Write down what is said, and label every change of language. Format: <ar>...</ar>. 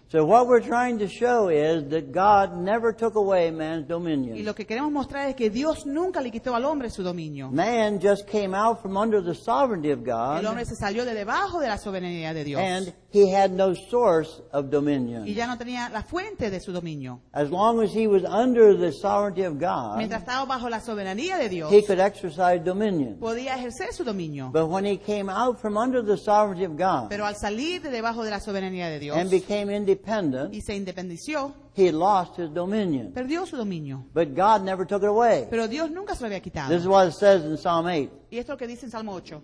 <en>So what we're trying to show is that God never took away man's dominion.</en> <es>Y lo que queremos mostrar es que Dios nunca le quitó al hombre su dominio.</es> <en>Man just came out from under the sovereignty of God.</en> <es>El hombre se salió de debajo de la soberanía de Dios.</es> <en>And he had no source of dominion.</en> <es>Y ya no tenía la fuente de su dominio.</es> <en>As long as he was under the sovereignty of God,</en> <es>mientras estaba bajo la soberanía de Dios,</es> <en>he could exercise dominion.</en> <es>Podía ejercer su dominio.</es> <en>But when he came out from under the sovereignty of God,</en> <es>pero al salir de debajo de la soberanía</es> <en>and became independent,</en> <es>y se independició,</es> <en>he lost his dominion.</en> <es>Perdió su dominio.</es> <en>But God never took it away.</en> <es>Pero Dios nunca se lo había quitado.</es> <en>This is what it says in Psalm 8.</en> <es>Y esto es lo que dice en Salmo 8.</es>